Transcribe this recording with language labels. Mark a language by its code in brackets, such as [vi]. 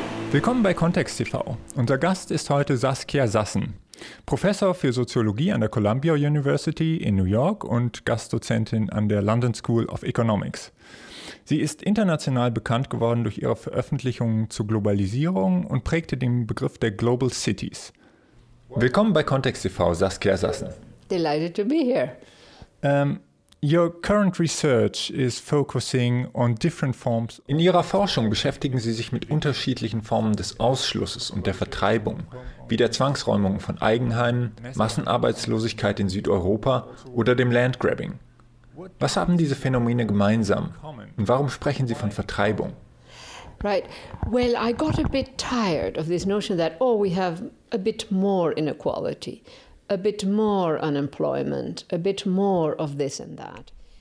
[de] Willkommen bei Kontext TV. Unser Gast ist heute Saskia Sassen, Professor für Soziologie an der Columbia University in New York und Gastdozentin an der London School of Economics. Sie ist international bekannt geworden durch ihre Veröffentlichungen zur Globalisierung und prägte den Begriff der Global Cities. Willkommen bei Kontext TV, Saskia Sassen. [en] Delighted to be here. Your current research is focusing on different forms. [de] In Ihrer Forschung beschäftigen Sie sich mit unterschiedlichen Formen des Ausschlusses und der Vertreibung, wie der Zwangsräumung von Eigenheimen, Massenarbeitslosigkeit in Südeuropa oder dem Landgrabbing. Was haben diese Phänomene gemeinsam und warum sprechen Sie von Vertreibung? [en] Right. Well, I got a bit tired of this notion that, oh, we have a bit more inequality. A bit more unemployment, a bit more of this and that.